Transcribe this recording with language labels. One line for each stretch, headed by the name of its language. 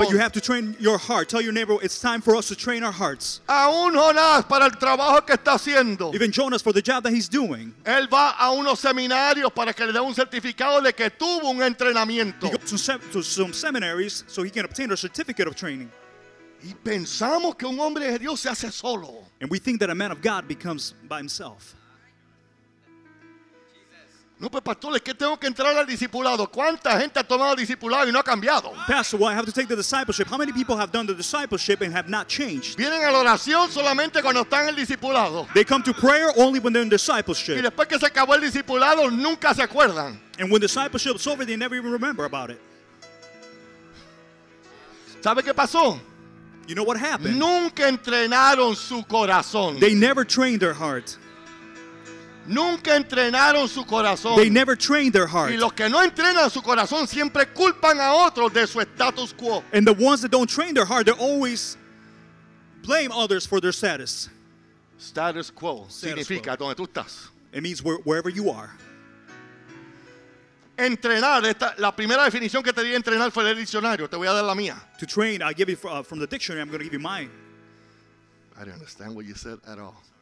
English: But you have to train your heart. Tell your neighbor, it's time for us to train our hearts.
Spanish: Aún Jonás para el trabajo que está haciendo.
English: Even Jonas for the job that he's doing.
Spanish: Él va a unos seminarios para que le dé un certificado de que tuvo un entrenamiento.
English: He goes to some seminaries so he can obtain a certificate of training.
Spanish: Y pensamos que un hombre de Dios se hace solo.
English: And we think that a man of God becomes by himself.
Spanish: No, pues pastor, es que tengo que entrar al discipulado. ¿Cuánta gente ha tomado discipulado y no ha cambiado?
English: Pastor, well, I have to take the discipleship. How many people have done the discipleship and have not changed?
Spanish: Vienen a la oración solamente cuando están en el discipulado.
English: They come to prayer only when they're in discipleship.
Spanish: Y después que se acabó el discipulado, nunca se acuerdan.
English: And when discipleship is over, they never even remember about it.
Spanish: ¿Sabe qué pasó?
English: You know what happened?
Spanish: Nunca entrenaron su corazón.
English: They never trained their heart.
Spanish: Nunca entrenaron su corazón.
English: They never trained their heart.
Spanish: Y los que no entrenan su corazón siempre culpan a otros de su status quo.
English: And the ones that don't train their heart, they always blame others for their status.
Spanish: Status quo significa donde tú estás.
English: It means wherever you are.
Spanish: Entrenar, la primera definición que te di entrenar fue del diccionario. Te voy a dar la mía.
English: To train, I'll give you from the dictionary. I'm going to give you mine. I don't understand what you said at all.